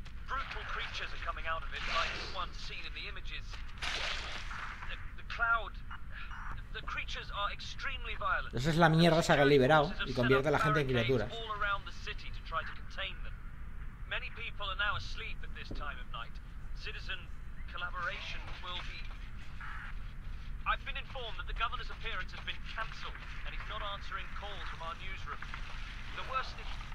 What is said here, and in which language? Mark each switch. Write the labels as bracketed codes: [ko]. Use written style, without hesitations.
[en] Brutal creatures are coming out of it, like the ones seen in the images. The cloud... The creatures are extremely violent. [es] Esa es la mierda, se ha liberado y convierte a la gente en criaturas. [en] All around the city to try to contain them. Many people are now asleep at this time of night. Citizen collaboration will be... I've been informed that the governor's appearance has been cancelled and he's not answering calls from our newsroom. The worst thing...